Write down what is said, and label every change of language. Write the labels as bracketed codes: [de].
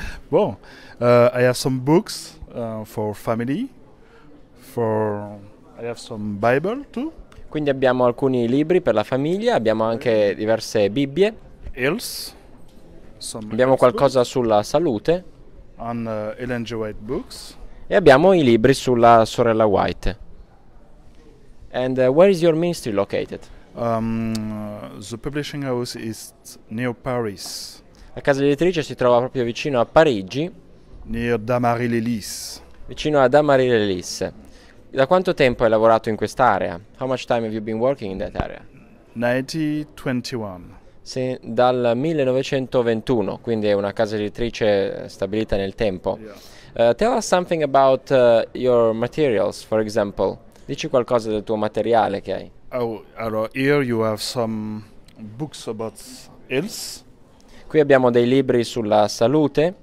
[en] Bon, I have some books for family. I have some Bible too. [it] Quindi abbiamo alcuni libri per la famiglia, abbiamo anche diverse Bibbie, [en] Else, some [it] abbiamo [en] else [it] qualcosa [en] books. [it] sulla salute [en] On Ellen G. White books. [it] e abbiamo i libri sulla sorella White. [en] And where is your ministry located? The publishing house is near Paris. [it] La casa editrice si trova proprio vicino a Parigi, [en] Near Damary-les-Lys. [it] vicino a Damary-les-Lys. Da quanto tempo hai lavorato in quest'area? [en] How much time have you been working in that area? 1921. [it] Se, dal 1921, quindi è una casa editrice stabilita nel tempo. [en] Tell us something about your materials, for example. [it] Dici qualcosa del tuo materiale che hai. Oh, allora, [en] here you have some books about health. [it] Qui abbiamo dei libri sulla salute.